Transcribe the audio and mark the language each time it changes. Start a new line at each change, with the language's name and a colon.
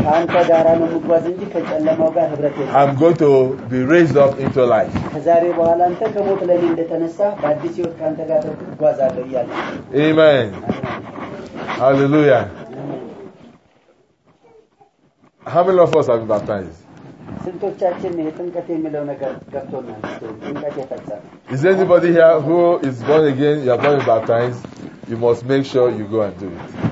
English: I'm going to be raised up into life. Amen. Hallelujah. How many of us have been baptized?
Amharic: ስንቶቻችን የጥንቀት የሚለው ነገር ገብቶናል? ጥንቀት የፈጸመ
English: Is anybody here who is born again? You have been baptized. You must make sure you go and do it.